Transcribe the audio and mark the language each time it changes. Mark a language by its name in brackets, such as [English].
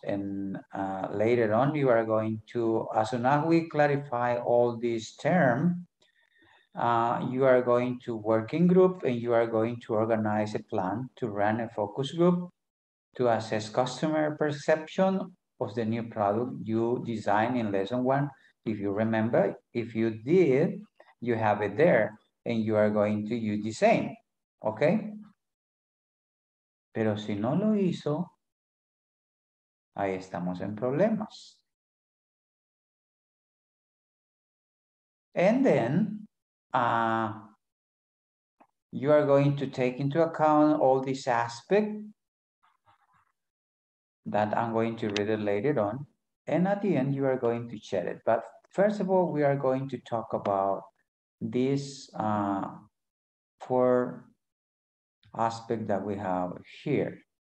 [English] And later on, you are going to, as soon as we clarify all these terms, you are going to work in group and you are going to organize a plan to run a focus group to assess customer perception of the new product you designed in lesson one. If you remember, if you did, you have it there and you are going to use the same, okay? [Spanish] Pero si no lo hizo, ahí estamos en problemas. [English] And then you are going to take into account all this aspect that I'm going to read it later on. And at the end, you are going to share it. But first of all, we are going to talk about this for aspect that we have here.